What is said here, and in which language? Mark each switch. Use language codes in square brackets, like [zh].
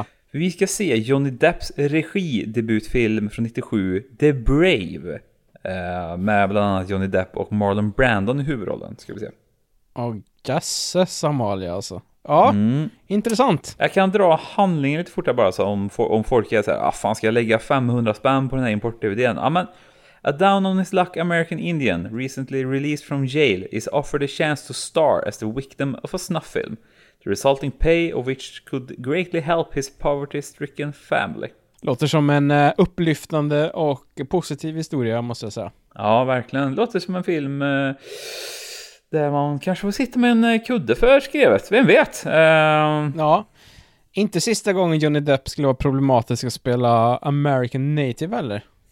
[sv] Vi ska se Johnny Depps regidebutfilm från 97, The Brave, med bland annat Johnny Depp och Marlon Brando i huvudrollen, ska vi se. Åh, jösses Amalia alltså. Ja, intressant. Jag kan dra handlingen lite fortare bara, så om folk är såhär, fan, ska jag lägga 500 spänn på den här import-DVD:n? Amen. [en] A down on his luck American Indian, recently released from jail, is offered a chance to star as the victim of a snuff film. The resulting pay of which could greatly help his poverty-stricken family. [sv] Låter som en upplyftande och positiv historia, måste jag säga. Ja, verkligen. Låter som en film... där man kanske får sitta med en kudde för skrevet. Vem vet? Ja, inte sista gången Johnny Depp skulle vara problematisk att spela American Native, eller?